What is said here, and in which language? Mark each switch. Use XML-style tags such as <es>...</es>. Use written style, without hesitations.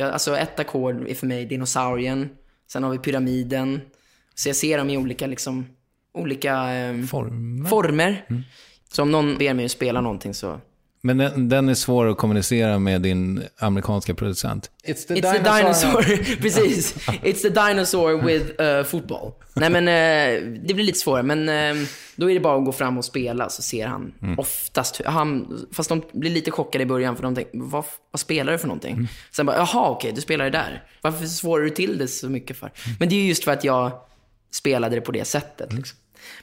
<sv>Alltså ett ackord är för mig dinosaurien, sen har vi pyramiden. Så jag ser dem i olika liksom, olika former. Mm. Så om någon ber mig att spela någonting så... Men den är svår att kommunicera med din amerikanska producent.</sv> <en>It's the dinosaur.</en> <sv>Precis.</sv> <en>It's the dinosaur with football.</en> <sv>Nej, men det blir lite svårare. Men då är det bara att gå fram och spela, så ser han oftast. Fast de blir lite chockade i början, för de tänker, vad spelar du för någonting? Mm. Sen bara, jaha, okej, du spelar det där. Varför svårar du till det så mycket för? Mm. Men det är just för att jag spelade det på det sättet. Liksom. Mm.</sv>